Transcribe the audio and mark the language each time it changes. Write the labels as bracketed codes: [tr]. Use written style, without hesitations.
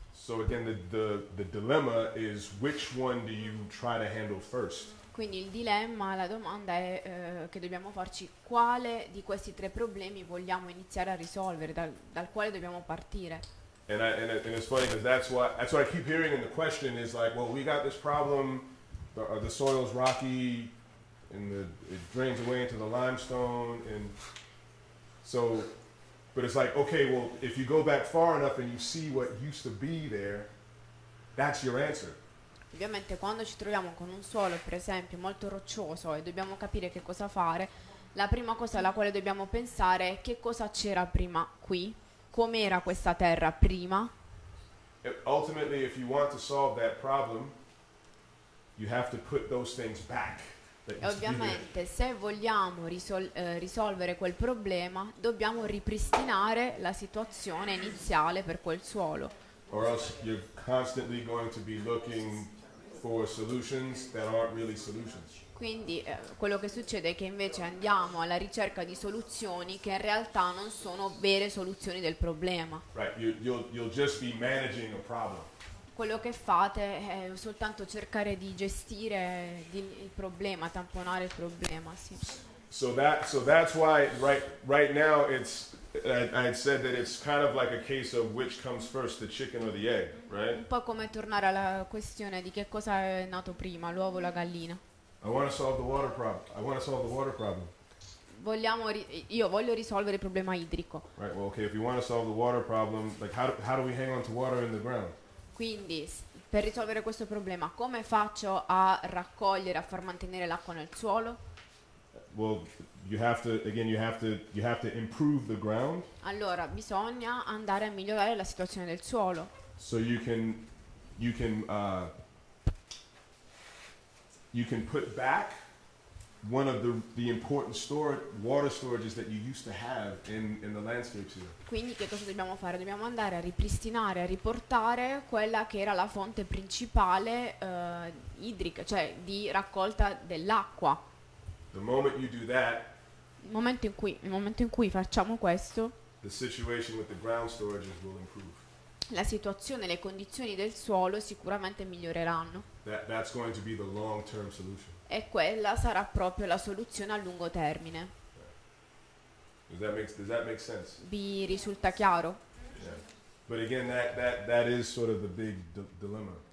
[en] So again, the dilemma is which one do you try to handle first? [it] Quindi il dilemma, la domanda è che dobbiamo farci: quale di questi tre problemi vogliamo iniziare a risolvere, dal quale dobbiamo partire? [en] And it's funny because that's what I keep hearing in the question is like, well, we got this problem, the soil's rocky, and it drains away into the limestone, and so, but it's like, okay, well, if you go back far enough and you see what used to be there, that's your answer. [it] Ovviamente quando ci troviamo con un suolo, per esempio, molto roccioso e dobbiamo capire che cosa fare, la prima cosa alla quale dobbiamo pensare è che cosa c'era prima qui, com'era questa terra prima. [en] Ultimately, if you want to solve that problem, you have to put those things back. [it] E ovviamente se vogliamo risolvere quel problema, dobbiamo ripristinare la situazione iniziale per quel suolo. [en] Or else you're constantly going to be looking for solutions that aren't really solutions. [it] Quindi quello che succede è che invece andiamo alla ricerca di soluzioni che in realtà non sono vere soluzioni del problema. [en] Right, you'll just be managing a problem. [it] Quello che fate è soltanto cercare di gestire il problema, tamponare il problema, sì. [en] So that's why right now it's, I said that it's kind of like a case of which comes first, the chicken or the egg, right? [it] Un po' come tornare alla questione di che cosa è nato prima, l'uovo o la gallina. [en] I want to solve the water problem. [it] Io voglio risolvere il problema idrico. [en] Right. Well, okay. If you want to solve the water problem, like how do we hang on to water in the ground? [it] Quindi, per risolvere questo problema, come faccio a raccogliere, a far mantenere l'acqua nel suolo? [en] Well, you have to, again, you have to improve the ground. [it] Allora, bisogna andare a migliorare la situazione del suolo. [en] So you can put back one of the important water storages that you used to have in the landscapes here. [it] Quindi che cosa dobbiamo fare? Dobbiamo andare a ripristinare, a riportare quella che era la fonte principale idrica, cioè di raccolta dell'acqua. [en] The moment you do that, [it] il momento in cui facciamo questo, [en] the situation with the ground storages will improve. [it] La situazione, le condizioni del suolo sicuramente miglioreranno. [en] That's going to be the long-term solution. [it] E quella sarà proprio la soluzione a lungo termine. [en] Does that make sense? [it] Vi risulta chiaro? [en] Yeah. But again, that is sort of the big dilemma.